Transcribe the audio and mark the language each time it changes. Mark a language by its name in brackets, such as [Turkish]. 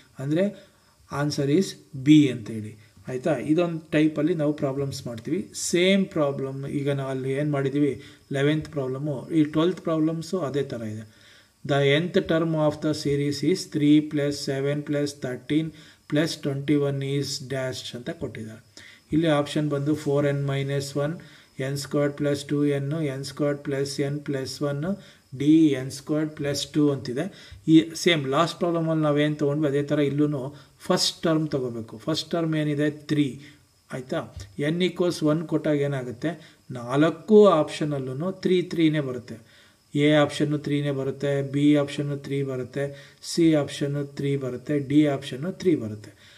[Kannada] ಅಂದರೆ answer is B ಅಂತೇಳಿ. ಆಯಿತಾ, ಇದೊಂದು ಟೈಪಲ್ಲಿ ನಾವು ಪ್ರಾಬ್ಲಮ್ಸ್ ಮಾಡ್ತೀವಿ. ಸೇಮ್ ಪ್ರಾಬ್ಲಮ್ ಈಗ ನಾವು ಅಲ್ಲಿ ಏನು ಮಾಡಿದ್ದೀವಿ, 11th ಪ್ರಾಬ್ಲಮ್ಮು, ಈ 12th ಪ್ರಾಬ್ಲಮ್ಸು ಅದೇ ಥರ ಇದೆ. [English] the nth term of the series is 3 + 7 + 13 + 21 is dash [Kannada] ಅಂತ ಕೊಟ್ಟಿದ್ದಾರೆ. ಇಲ್ಲಿ ಆಪ್ಷನ್ ಬಂದು 4n - 1, n² + 2n, n² + n + 1, D n² + 2 ಅಂತಿದೆ. ಈ ಸೇಮ್ ಲಾಸ್ಟ್ ಪ್ರಾಬ್ಲಮಲ್ಲಿ ನಾವೇನು ತೊಗೊಂಡ್ವಿ ಅದೇ ಥರ ಇಲ್ಲೂ ಫಸ್ಟ್ ಟರ್ಮ್ ತೊಗೋಬೇಕು. ಫಸ್ಟ್ ಟರ್ಮ್ ಏನಿದೆ, 3. ಆಯಿತಾ, ಎನ್ ಈಕ್ವಲ್ಸ್ 1 ಕೊಟ್ಟಾಗ ಏನಾಗುತ್ತೆ, 4 ಆಪ್ಷನಲ್ಲೂ 3 ಬರುತ್ತೆ. ಎ ಆಪ್ಷನ್ನು 3 ಬರುತ್ತೆ, ಬಿ ಆಪ್ಷನ್ನು 3 ಬರುತ್ತೆ, ಸಿ ಆಪ್ಷನ್ನು 3 ಬರುತ್ತೆ, ಡಿ ಆಪ್ಷನ್ನು 3 ಬರುತ್ತೆ.